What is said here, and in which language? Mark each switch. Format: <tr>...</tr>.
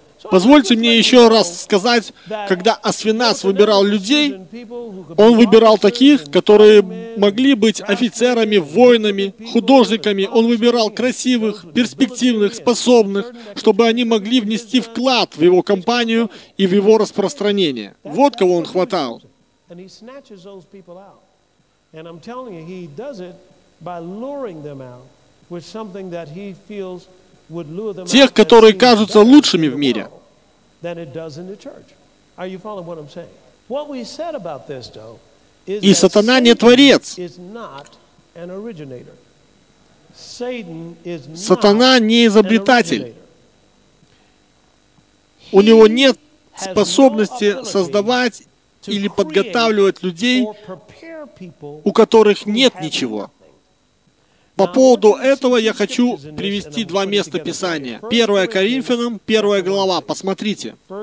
<ru>Позвольте мне еще раз сказать, когда Асфеназ выбирал людей, он выбирал таких, которые могли быть офицерами, воинами, художниками. Он выбирал красивых, перспективных, способных, чтобы они могли внести вклад в его компанию и в его распространение. Вот кого он хватал.</ru> <en>And he snatches those people out. And I'm telling you, he does it by luring them out with something that he feels would lure them out.</en> <ru>Тех, которые кажутся лучшими в мире.</ru> <en>Than it does in the church. Are you following what I'm saying? What we said about this, though, is that Satan is not an originator. Satan is not an originator.</en> <ru>У него нет способности создавать или подготавливать людей, у которых нет ничего. По поводу этого я хочу привести 2 места Писания. 1 Коринфянам, 1 глава, посмотрите.</ru>